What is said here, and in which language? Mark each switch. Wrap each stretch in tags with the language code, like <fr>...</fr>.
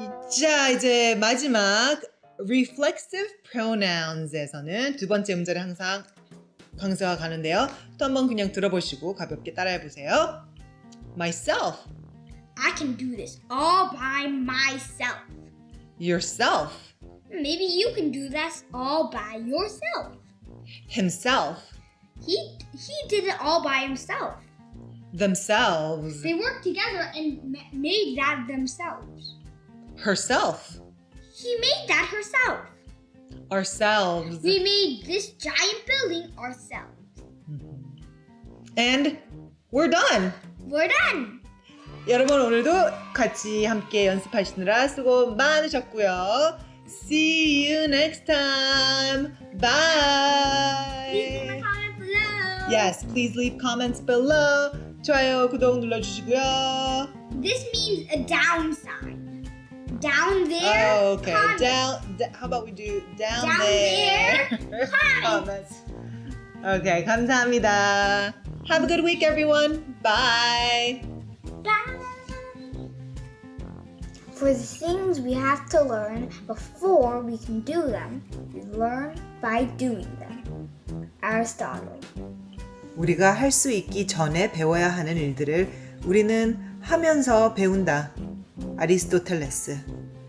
<ko>자, 이제 마지막 reflexive pronouns에서는 두 번째 문제를 항상 강세가 가는데요. 또 한번 그냥 들어보시고 가볍게 따라해보세요.</ko> <en>Myself. I can do this all by myself. Yourself. Maybe you can do this all by yourself. Himself. He did it all by himself. Themselves. They worked together and made that themselves. Herself. He made that herself. Ourselves. We made this giant building ourselves. And we're done. We're done.</en> <ko>여러분 오늘도 같이 함께 연습하시느라 수고 많으셨고요.</ko> <en>See you next time. Bye. Leave a comment below. Yes, please leave comments below.</en> <ko>좋아요, 구독 눌러주시고요.</ko> <en>This means a down sign. Down there. Oh, okay. Comments. How about we do down there comments.</en> <ko>Okay, 감사합니다.</ko> <en>Have a good week, everyone. Bye. For the things we have to learn before we can do them, we learn by doing them. Aristotle.</en> <ko>우리가 할 수 있기 전에 배워야 하는 일들을 우리는 하면서 배운다. 아리스토텔레스.</ko>